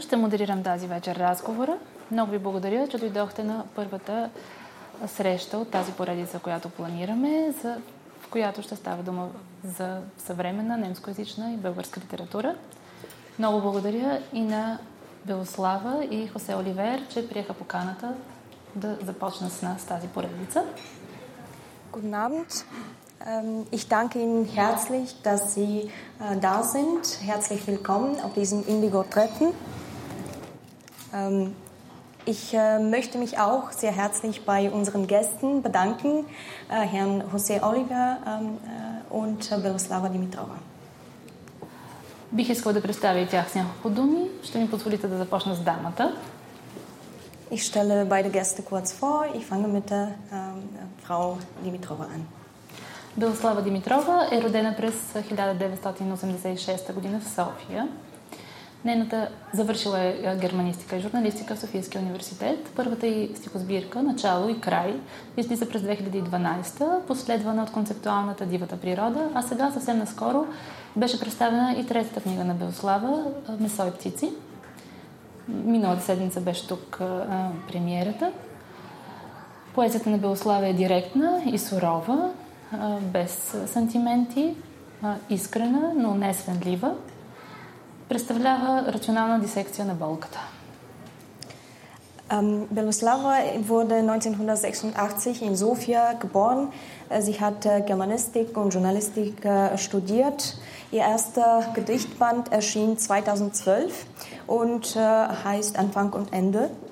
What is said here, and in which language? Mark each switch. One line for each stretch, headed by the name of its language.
Bulgarian: Ще модерирам тази вечер разговора. Много ви благодаря, че дойдохте на първата среща от тази поредица, която планираме, в която ще става дума за съвременна немскоязична и българска литература. Много благодаря и на Белослава и Хосе Оливер, че приеха поканата да започна с нас тази поредица.
German: Guten Abend. Ich danke Ihnen herzlich, dass Sie da sind. Herzlich willkommen auf diesem Indigo-Treffen. Ich möchte mich auch sehr herzlich bei unseren Gästen bedanken, Herrn José Oliver und Белослава Димитрова.
Bulgarian: Бих искала да представя и тях с няколко думи. Ще ми позволите да започна с дамата.
German: Ich stelle beide Gäste kurz vor. Ich fange mit der Frau Димитрова an.
Bulgarian: Белослава Димитрова е родена през 1986 година в София. Нейната завършила е германистика и журналистика в Софийския университет. Първата й стихосбирка «Начало и край» излиза през 2012, последвана от концептуалната «Дивата природа», а сега съвсем наскоро беше представена и третата книга на Белослава «Месо и птици». Миналата седмица беше тук премиерата. Поезията на Белослава е директна и сурова, без сантименти, искрена, но не свенлива, представлява рационална дисекция на болката.
German: Белослава wurde 1986 in Sofia geboren. Sie hat Germanistik und Journalistik studiert. Ihr erster Gedichtband erschien 2012 und heißt Anfang und Ende.